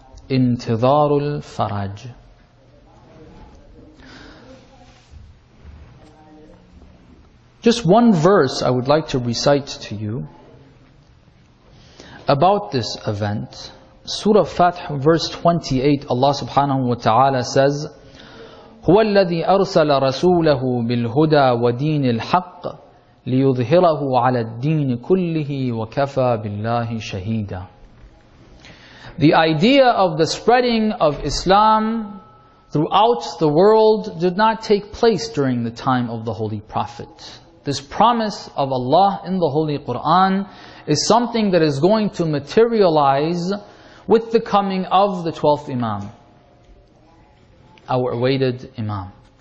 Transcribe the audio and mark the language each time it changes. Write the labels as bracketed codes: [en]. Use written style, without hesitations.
[en] Intidharul Faraj. Just one verse I would like to recite to you about this event. Surah Fath, verse 28, Allah subhanahu wa ta'ala says, [ar] هو الذي أرسل رسوله بالهدى ودين الحق ليظهره على الدين كله وكفى بالله شهيدا. [en] The idea of the spreading of Islam throughout the world did not take place during the time of the Holy Prophet. This promise of Allah in the Holy Quran is something that is going to materialize with the coming of the 12th Imam, our awaited Imam.